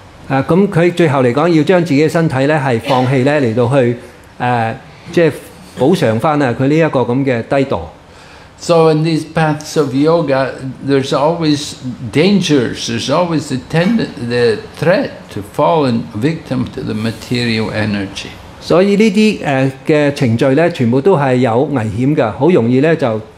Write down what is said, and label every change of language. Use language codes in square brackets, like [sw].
[zh] 他最后来说要将自己的身体放弃，来到去补偿他这个低堕。 [en] So in these paths of yoga, there's always dangers, there's always the threat to fall in victim to the material energy. [zh] 所以这些程序全部都是有危险的，很容易就